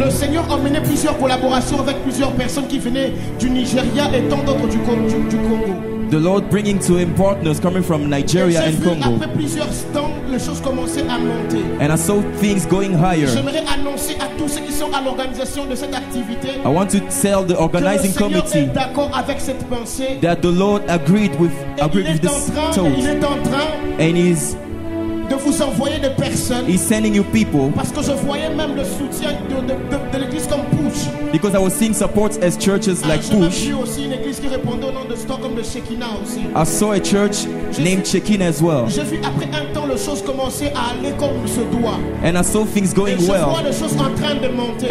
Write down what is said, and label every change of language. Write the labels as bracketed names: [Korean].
[French] le Seigneur a mené plusieurs collaborations avec plusieurs personnes qui venaient du Nigeria et tant d'autres du Congo. [English] The Lord bringing to him partners coming from Nigeria and Congo. And I saw things going higher. I want to tell the organizing committee that the Lord agreed with this thought. And he's [French] de vous envoyer des personnes. [English] He's sending you people. [French] Parce que je voyais même le soutien de l'église comme Push. [English] Because I was seeing support as churches like Push. [French] J'ai vu aussi une église qui répondait au nom de Stockholm de Shekinah aussi. [English] I saw a church named Shekinah as well. [French] J'ai vu après un temps les choses commencer à aller comme se doit. [English] And I saw things going well. [French] Je vois les choses en train de monter.